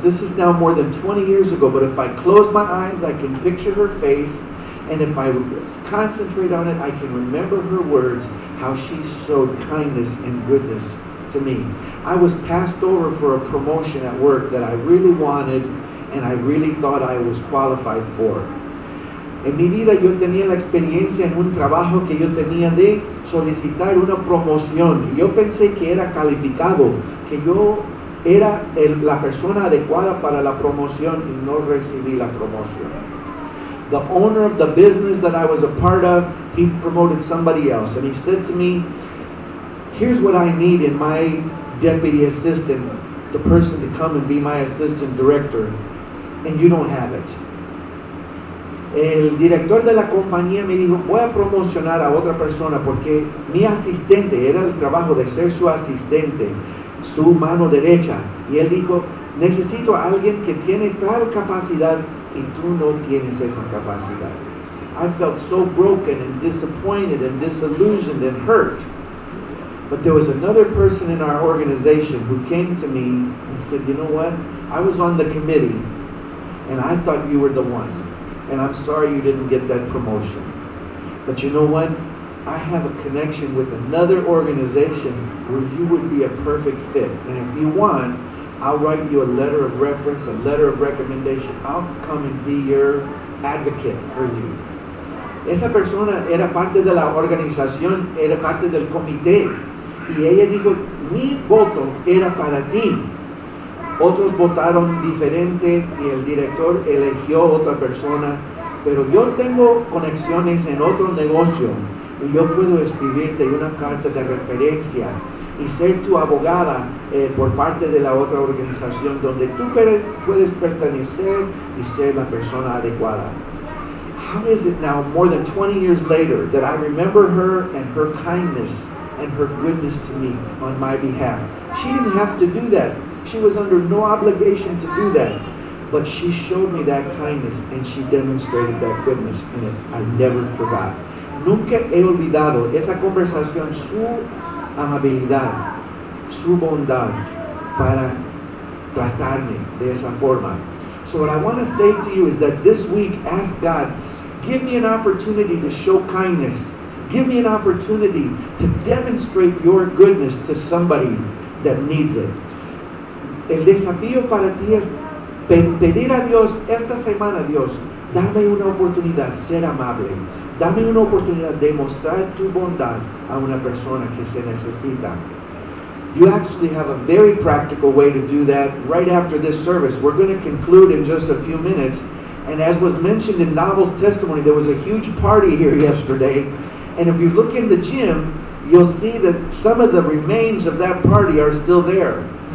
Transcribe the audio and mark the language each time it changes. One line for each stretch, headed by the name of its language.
English: This is now more than 20 years ago, but if I close my eyes, I can picture her face, and if I concentrate on it, I can remember her words, how she showed kindness and goodness to me. I was passed over for a promotion at work that I really wanted and I really thought I was qualified for.
Spanish: En mi vida yo tenía la experiencia en un trabajo que yo tenía de solicitar una promoción. Yo pensé que era calificado, que yo era la persona adecuada para la promoción y no recibí la promoción.
English: The owner of the business that I was a part of, he promoted somebody else. And he said to me, here's what I need in my deputy assistant, the person to come and be my assistant director. And you don't have it.
Spanish: El director de la compañía me dijo, voy a promocionar a otra persona porque mi asistente, era el trabajo de ser su asistente, su mano derecha. Y él dijo, necesito a alguien que tiene tal capacidad y tú no tienes esa capacidad.
English: I felt so broken and disappointed and disillusioned and hurt. But there was another person in our organization who came to me and said, you know what? I was on the committee. And I thought you were the one. And I'm sorry you didn't get that promotion. But you know what? I have a connection with another organization where you would be a perfect fit. And if you want, I'll write you a letter of reference, a letter of recommendation. I'll come and be your advocate for you.
Spanish: Esa persona era parte de la organización, era parte del comité. Y ella dijo, mi voto era para ti. Otros votaron diferente y el director eligió otra persona. Pero yo tengo conexiones en otro negocio y yo puedo escribirte una carta de referencia y ser tu abogada por parte de la otra organización donde tú puedes pertenecer y ser la persona adecuada.
English: How is it now, more than 20 years later, that I remember her and her kindness and her goodness to me on my behalf? She didn't have to do that. She was under no obligation to do that. But she showed me that kindness and she demonstrated that goodness in it. I never forgot.
Spanish: Nunca he olvidado esa conversación, su amabilidad, su bondad para tratarme de esa forma.
English: So what I want to say to you is that this week, ask God, give me an opportunity to show kindness. Give me an opportunity to demonstrate your goodness to somebody that needs it.
Spanish: El desafío para ti es pedir a Dios esta semana, Dios, dame una oportunidad, ser amable. Dame una oportunidad de mostrar tu bondad a una persona que se necesita.
English: You actually have a very practical way to do that right after this service. We're going to conclude in just a few minutes. And as was mentioned in Novel's testimony, there was a huge party here yesterday. And if you look in the gym, you'll see that some of the remains of that party are still there.